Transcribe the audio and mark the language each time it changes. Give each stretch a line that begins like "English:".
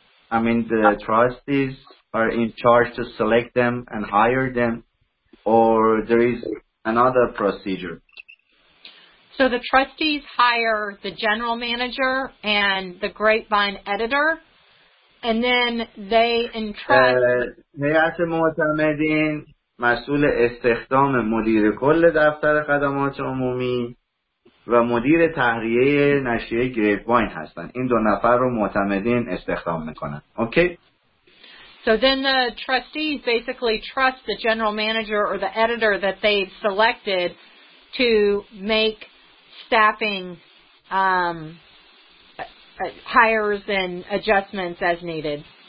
English: I mean the trustees are in charge to select them and hire them, or there is another procedure? So the trustees hire the general manager and the Grapevine editor, and then they entrust...
Persian: معتمدین مسئول استخدام مدیر کل دفتر خدمات عمومی و مدیر تحریه نشریه گریپ‌واین هستن. این دو نفر رو معتمدین استخدام میکنن. اوکی؟
English: So then the trustees basically trust the general manager or the editor that they've selected to make staffing hires and adjustments as needed.